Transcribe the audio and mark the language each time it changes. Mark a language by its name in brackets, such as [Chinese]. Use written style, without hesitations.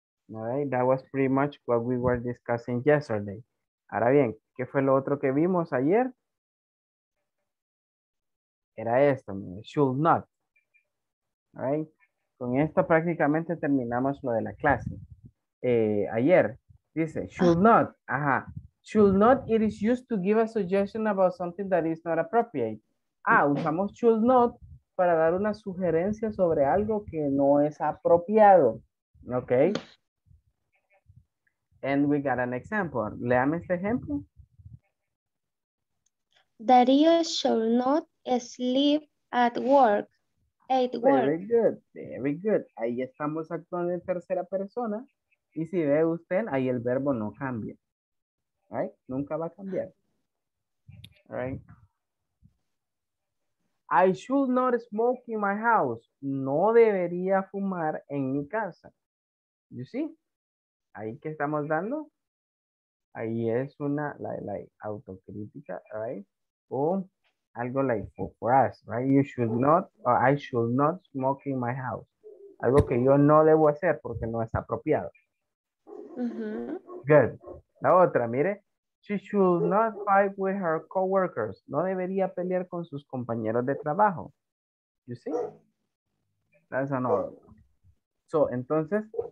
[English] Right, that was pretty much what we were discussing yesterday. [Spanish] Ahora bien, ¿qué fue lo otro que vimos ayer? Era esto, [English] should not. All right. [Spanish] Con esto prácticamente terminamos lo de la clase. Ayer, dice, [English] should not. [Spanish] Ajá. [English] Should not, it is used to give a suggestion about something that is not appropriate. [Spanish] Ah, usamos [English] should not [Spanish] para dar una sugerencia sobre algo que no es apropiado. Ok. [English] And we got an example. [Spanish] Léame este ejemplo. [English] Darío should not sleep at work. Very good. [Spanish] Ahí estamos actuando en tercera persona. Y si ve usted, ahí el verbo no cambia. [English] Right? [Spanish] Nunca va a cambiar. [English] Right? I should not smoke in my house. [Spanish] No debería fumar en mi casa. [English] You see? [Spanish] Ahí que estamos dando, ahí es una la autocrítica, [English] right? [Spanish] O algo [English] like for us, right? You should not, or I should not smoke in my house. [Spanish] Algo que yo no debo hacer porque no es apropiado. Uh-huh. [English] Good. [Spanish] La otra, mire. [English] She should not fight with her coworkers. [Spanish] No debería pelear con sus compañeros de trabajo. [English] You see? That's another. So, [Spanish] entonces...